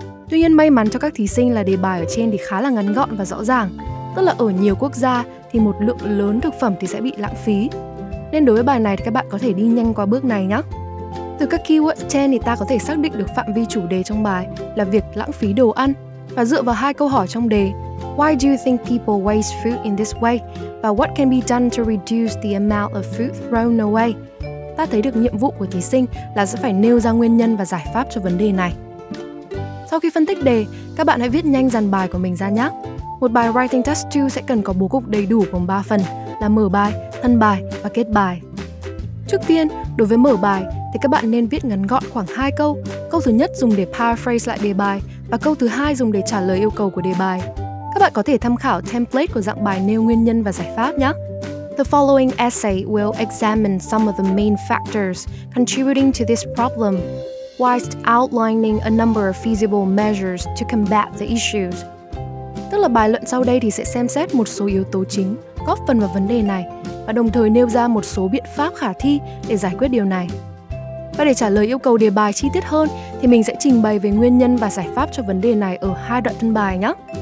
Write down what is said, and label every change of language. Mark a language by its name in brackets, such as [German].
[Vietnamese] Tuy nhiên may mắn cho các thí sinh là đề bài ở trên thì khá là ngắn gọn và rõ ràng, tức là ở nhiều quốc gia thì một lượng lớn thực phẩm thì sẽ bị lãng phí. Nên đối với bài này thì các bạn có thể đi nhanh qua bước này nhé. Từ các keywords trên thì ta có thể xác định được phạm vi chủ đề trong bài là việc lãng phí đồ ăn và dựa vào hai câu hỏi trong đề. [English] Why do you think people waste food in this way? Và what can be done to reduce the amount of food thrown away? [Vietnamese] Ta thấy được nhiệm vụ của thí sinh là sẽ phải nêu ra nguyên nhân và giải pháp cho vấn đề này. Sau khi phân tích đề, các bạn hãy viết nhanh dàn bài của mình ra nhé. Một bài Writing Task 2 sẽ cần có bố cục đầy đủ gồm 3 phần là mở bài, thân bài và kết bài. Trước tiên, đối với mở bài thì các bạn nên viết ngắn gọn khoảng 2 câu. Câu thứ nhất dùng để paraphrase lại đề bài và câu thứ hai dùng để trả lời yêu cầu của đề bài. Các bạn có thể tham khảo template của dạng bài nêu nguyên nhân và giải pháp nhé. [English] The following essay will examine some of the main factors contributing to this problem, whilst outlining a number of feasible measures to combat the issues. [Vietnamese] Tức là bài luận sau đây thì sẽ xem xét một số yếu tố chính góp phần vào vấn đề này và đồng thời nêu ra một số biện pháp khả thi để giải quyết điều này. Và để trả lời yêu cầu đề bài chi tiết hơn thì mình sẽ trình bày về nguyên nhân và giải pháp cho vấn đề này ở hai đoạn thân bài nhé.